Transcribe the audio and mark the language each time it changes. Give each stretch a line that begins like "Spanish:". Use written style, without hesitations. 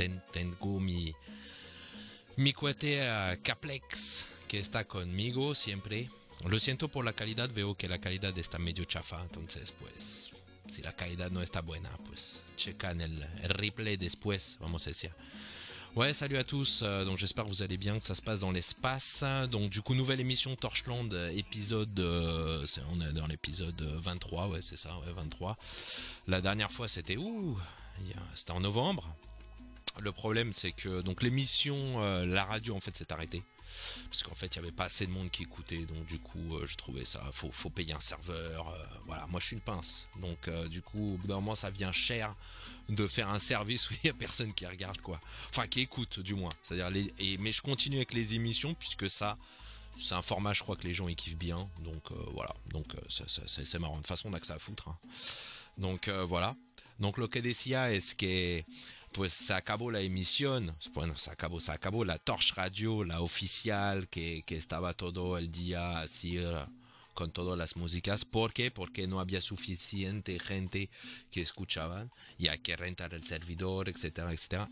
Spanish: Tengo mi cuate Caplex, que está conmigo siempre. Lo siento por la calidad, veo que la calidad está medio chafa, entonces pues si la calidad no está buena, pues checan el replay después, vamos a decir.
French: Ouais, salut à tous, donc j'espère que vous allez bien, que ça se passe dans l'espace. Donc du coup, nouvelle émission Torchland, épisode, on est dans l'épisode 23, ouais c'est ça, ouais 23. La dernière fois c'était où? C'était en novembre. Le problème c'est que donc l'émission, la radio en fait s'est arrêtée. Parce qu'en fait il n'y avait pas assez de monde qui écoutait, donc du coup je trouvais ça, faut payer un serveur, voilà, moi je suis une pince, donc du coup au bout d'un moment ça vient cher de faire un service où il n'y a personne qui regarde quoi, enfin qui écoute du moins, c'est-à-dire mais je continue avec les émissions puisque ça c'est un format je crois que les gens ils kiffent bien, donc voilà, donc c'est marrant, de toute façon on n'a que ça à foutre, hein. Donc voilà.
Spanish: Donc lo que decía es que pues se acabó la emisión, bueno, se acabó la Torch Radio, la oficial que estaba todo el día así con todas las músicas. ¿Por qué? Porque no había suficiente gente que escuchaba y hay que rentar el servidor, etcétera, etcétera.